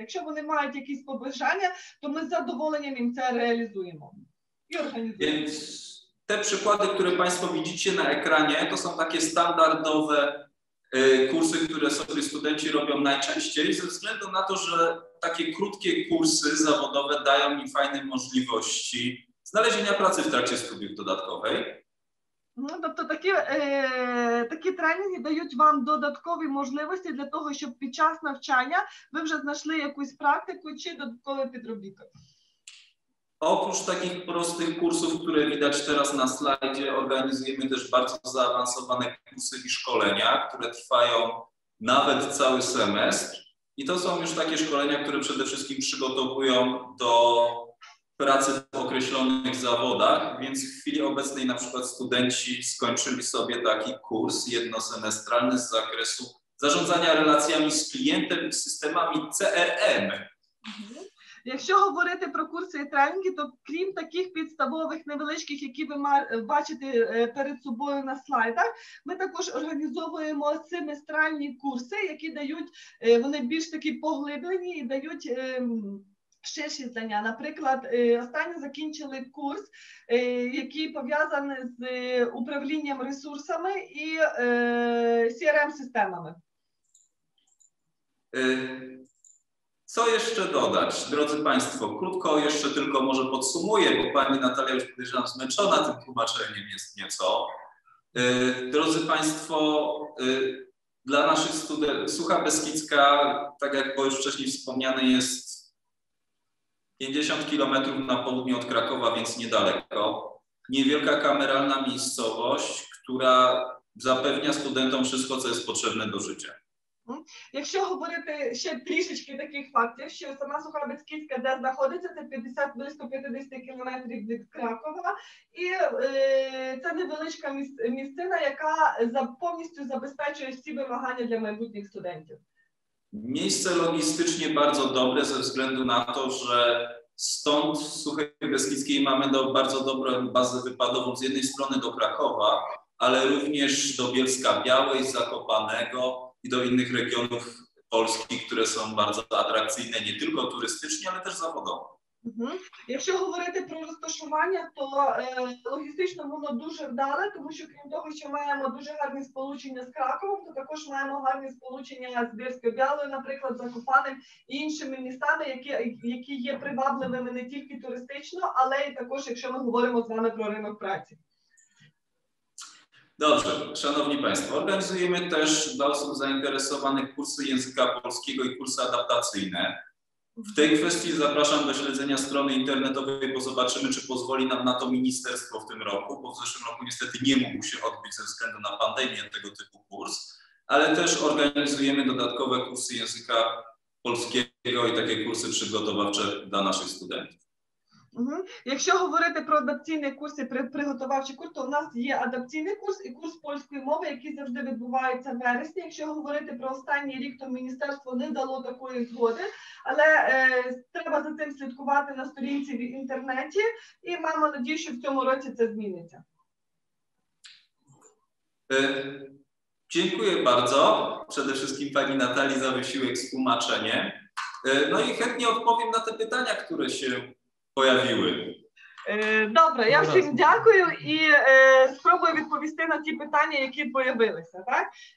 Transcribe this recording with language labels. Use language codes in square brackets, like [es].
[uk] Якщо вони мають якісь побажання, то ми з задоволенням їм це реалізуємо і організуємо. [pl] Te przykłady, które Państwo widzicie na ekranie, to są takie standardowe kursy, które sobie studenci robią najczęściej, ze względu na to, że takie krótkie kursy zawodowe dają im fajne możliwości znalezienia pracy w trakcie studiów dodatkowej. [uk] Ну, тобто такі тренінги дають вам додаткові можливості для того, щоб під час навчання ви вже знайшли якусь практику чи додаткові підробітки. [pl] Oprócz takich prostych kursów, które widać teraz na slajdzie, organizujemy też bardzo zaawansowane kursy i szkolenia, które trwają nawet cały semestr. I to są już takie szkolenia, które przede wszystkim przygotowują do pracy w określonych zawodach. Więc w chwili obecnej na przykład studenci skończyli sobie taki kurs jednosemestralny z zakresu zarządzania relacjami z klientem i systemami CRM. [uk] Якщо говорити про курси і тренінги, то крім таких підставових, невеличких, які ви бачите перед собою на слайдах, ми також організовуємо семестральні курси, які дають, вони більш такі поглиблені і дають ширші знання. Наприклад, останньо закінчили курс, який пов'язаний з управлінням ресурсами і CRM-системами. [pl] Co jeszcze dodać? Drodzy Państwo, krótko jeszcze tylko może podsumuję, bo Pani Natalia już podejrzewam zmęczona tym tłumaczeniem jest nieco. Drodzy Państwo, dla naszych studentów Sucha Beskidzka, tak jak było już wcześniej wspomniane, jest 50 km na południe od Krakowa, więc niedaleko. Niewielka kameralna miejscowość, która zapewnia studentom wszystko, co jest potrzebne do życia. [uk] Якщо говорити ще трішечки таких фактів, що сама Сухарбицька, де знаходиться, це близько 50 кілометрів від Кракова, і це невеличка місцина, яка повністю забезпечує всі вимагання для майбутніх студентів. [pl] Місце логістичне дуже добре, зі взгляду на те, що стонд Сухарбицькій маємо до дуже добру базу випадову, з однієї сторони до Кракова, але również до Бєлська-Бялої, Закопаного, i do innych regionów Polski, które są bardzo atrakcyjne, nie tylko turystycznie, ale też zawodowo. [uk] Якщо говорити про розташування, то логістично воно дуже вдале, тому що крім того, що маємо дуже гарні сполучення з Краковом, то також маємо гарні сполучення з Бєлською-Бялою, наприклад, Закопаним і іншими містами, які є привабливими не тільки туристично, але і також, якщо ми говоримо з вами про ринок праці. [pl] Dobrze, Szanowni Państwo, organizujemy też dla osób zainteresowanych kursy języka polskiego i kursy adaptacyjne. W tej kwestii zapraszam do śledzenia strony internetowej, bo zobaczymy, czy pozwoli nam na to ministerstwo w tym roku, bo w zeszłym roku niestety nie mógł się odbyć ze względu na pandemię tego typu kurs, ale też organizujemy dodatkowe kursy języka polskiego i takie kursy przygotowawcze dla naszych studentów. Угу. [uk] Якщо говорити про адаптаційний курс і приготувавчий курс, то у нас є адаптаційний курс і курс польської мови, який завжди відбувається в вересні. Якщо говорити про останній рік, то міністерство не дало такої згоди, але треба за цим слідкувати на сторінці в інтернеті, і маємо надію, що в цьому році це зміниться. [pl] Dziękuję bardzo. Przede wszystkim pani Natalii za wysiłek z tłumaczeniem. No i chętnie odpowiem na te pytania, które się pojawiły. Dobra, ja wszystkim dziękuję i spróbuję odpowiedzieć na te pytania, jakie pojawiły się, tak?